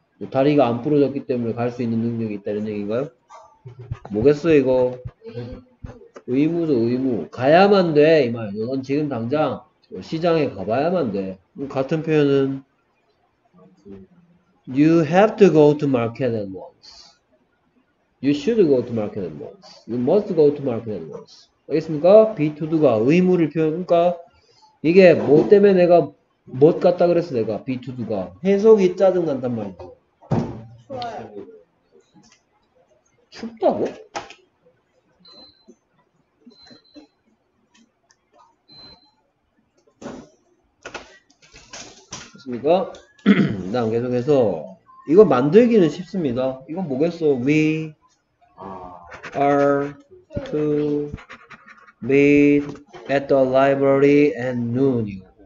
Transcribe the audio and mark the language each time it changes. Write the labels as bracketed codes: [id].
[ko] 다리가 안 부러졌기 때문에 갈 수 있는 능력이 있다 이런 얘기인가요? 뭐겠어요 이거? 의무죠. 의무. 가야만 돼. 이 말이죠. 넌 지금 당장 시장에 가봐야만 돼. 같은 표현은 [en] You have to go to market at once. You should go to market at once. You must go to market at once. [ko] 알겠습니까? Be to do가 의무를 표현. 그러니까 이게 뭐 때문에 내가 못 갔다 그랬어. 내가 be to do가. 해석이 짜증난단 말이죠. 춥다고? 그니까 난 계속해서 이거 만들기는 쉽습니다. 이건 뭐겠어? [en] We are to meet at the library at noon.